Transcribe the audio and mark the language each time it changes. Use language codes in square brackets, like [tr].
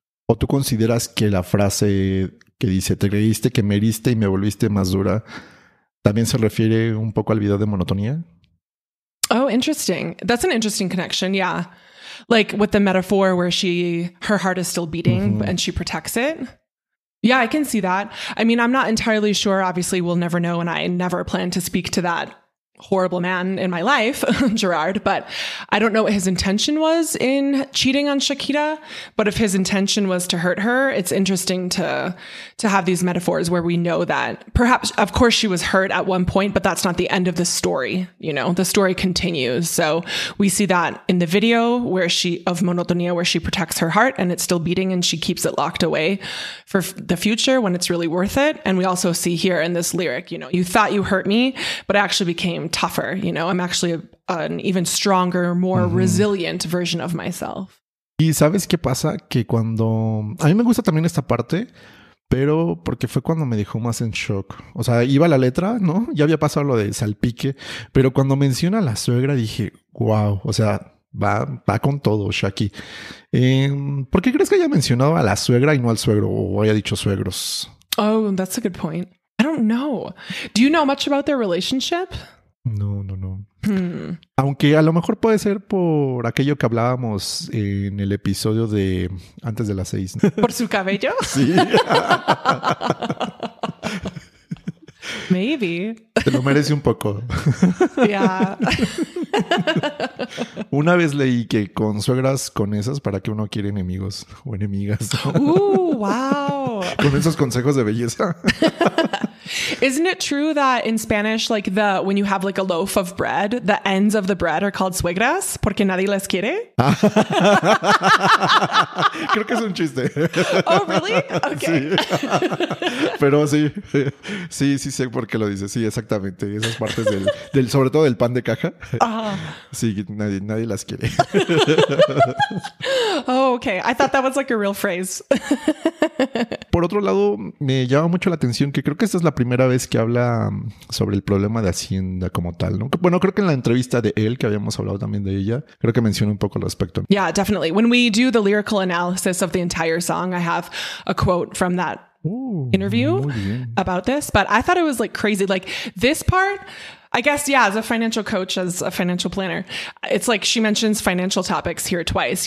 [es] ¿O tú consideras que la frase que dice te creíste que me heriste y me volviste más dura también se refiere un poco al video de monotonía? [en] Oh, interesting. That's an interesting connection, yeah. Like with the metaphor where her heart is still beating, mm-hmm. and she protects it. Yeah, I can see that. I mean, I'm not entirely sure. Obviously, we'll never know, and I never plan to speak to that horrible man in my life, Gerard, but I don't know what his intention was in cheating on Shakira, but if his intention was to hurt her, it's interesting to have these metaphors where we know that perhaps, of course, she was hurt at one point, but that's not the end of the story. You know, the story continues. So we see that in the video where she of Monotonia, where she protects her heart and it's still beating and she keeps it locked away for the future when it's really worth it. And we also see here in this lyric, you know, you thought you hurt me, but I actually became tougher, you know, I'm actually an even stronger, more resilient version of myself. [es] Y sabes qué pasa, que cuando a mí me gusta también esta parte, pero porque fue cuando me dejó más en shock. O sea, iba la letra, ¿no? Ya había pasado lo de salpique, pero cuando menciona a la suegra dije, wow, o sea, va con todo, Shaki. ¿Por qué crees que haya mencionado a la suegra y no al suegro o haya dicho suegros? [en] Oh, that's a good point. I don't know. Do you know much about their relationship? [es] No. Aunque a lo mejor puede ser por aquello que hablábamos en el episodio de antes de las 6. ¿Por su cabello? Sí. [en] Maybe. [es] Te lo merece un poco. [en] Yeah. [es] Una vez leí que con suegras con esas, ¿para qué uno quiere enemigos o enemigas? [en] Wow. [es] Con esos consejos de belleza. [en] Isn't it true that in Spanish, like the when you have like a loaf of bread, the ends of the bread are called suegras [es] porque nadie les quiere? Creo que es un chiste. [en] Oh, really? Okay. Sí. [es] Pero sí, sí, sí sé por qué lo dices. Sí, exactamente. Esas partes del sobre todo del pan de caja. Sí, nadie las quiere. [en] Oh, okay. I thought that was like a real phrase. [es] Por otro lado, me llama mucho la atención que creo que esta es la primera vez que habla sobre el problema de Hacienda como tal, ¿no? Bueno, creo que en la entrevista de él, que habíamos hablado también de ella, creo que menciona un poco al respecto. [en] Yeah, definitely. When we do the lyrical analysis of the entire song, I have a quote from that interview about this, but I thought it was like crazy. Like this part, I guess, yeah, as a financial coach, as a financial planner, it's like she mentions financial topics here twice.